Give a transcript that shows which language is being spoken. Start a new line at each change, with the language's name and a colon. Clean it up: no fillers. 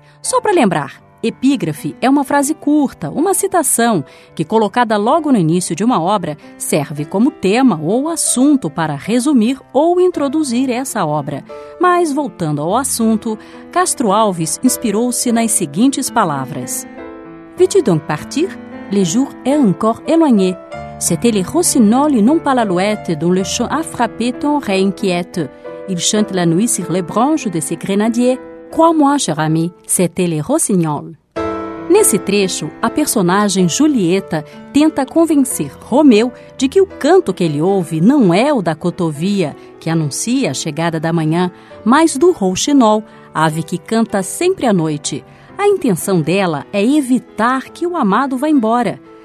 Portuguese: Só para lembrar, epígrafe é uma frase curta, uma citação, que colocada logo no início de uma obra, serve como tema ou assunto para resumir ou introduzir essa obra. Mas, voltando ao assunto, Castro Alves inspirou-se nas seguintes palavras.
French: Veux-tu donc partir? Le jour est encore éloigné. C'était les rossignols et non pas l'alouette dont le chant a frappé ton oreille inquiète. Il chante la nuit sur les branches de ses grenadiers. Crois-moi, cher ami, c'était les rossignols.
Portuguese: Nesse trecho, a personagem Julieta tenta convencer Romeu de que o canto que ele ouve não é o da cotovia, que anuncia a chegada da manhã, mas do rouxinol, ave que canta sempre à noite. A intenção dela é evitar que o amado vá embora.